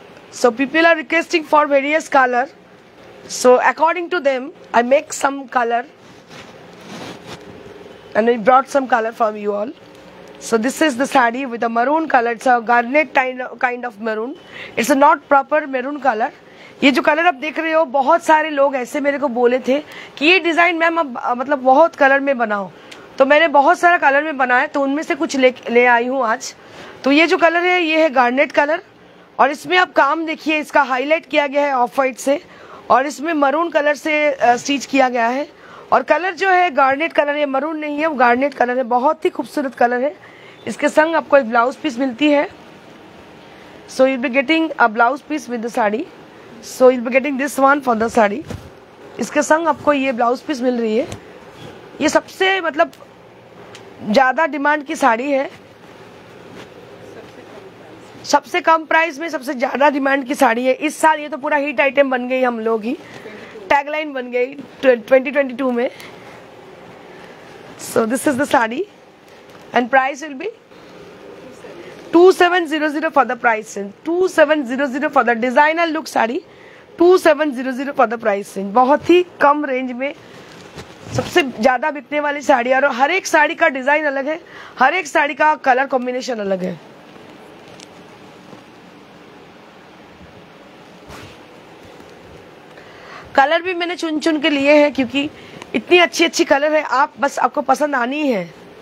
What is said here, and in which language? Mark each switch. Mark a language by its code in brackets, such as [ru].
[en] So people are requesting for various color. So according to them, I make some color and I brought some color from you all. So this is the sari with a maroon color. It's a garnet kind of maroon. It's a not proper maroon color. [hi] ये जो colour आप देख रहे हो, बहुत सारे लोग ऐसे मेरे को बोले थे कि ये डिजाइन मैम आप मतलब बहुत कलर में बनाओ, तो मैंने बहुत सारा कलर में बनाया, तो उनमें से कुछ ले आई हूँ आज। तो ये जो कलर है, ये है गार्नेट कलर, और इसमें आप काम देखिए, इसका हाईलाइट किया गया है ऑफ वाइट से, और इसमें मरून कलर से स्टिच किया गया है, और कलर जो है गार्नेट कलर है, मरून नहीं है, वो गार्नेट कलर है, बहुत ही खूबसूरत कलर है। इसके संग आपको एक ब्लाउज पीस मिलती है, [en] So you will be getting a blouse piece with the sari. So you'll be getting this one for the sari, [hi] इसके संग आपको ये ब्लाउज पीस मिल रही है। ये सबसे मतलब ज्यादा डिमांड की साड़ी है, सबसे कम प्राइस में सबसे ज्यादा डिमांड की साड़ी है इस साल। ये तो पूरा हिट आइटम बन गई, हम लोग ही टैगलाइन बन गई 2022 में। [en] So this is the sari and price will be 2700 for the price range, 2700 for the designer look saree, 2700 for the price range। [hi] बहुत ही कम रेंज में सबसे ज्यादा बिकने वाली साड़ी, और हर एक साड़ी का डिजाइन अलग है, हर एक साड़ी का कलर कॉम्बिनेशन अलग है। कलर भी मैंने चुन चुन के लिए है, क्योंकि इतनी अच्छी अच्छी कलर है, आप बस आपको पसंद आनी है।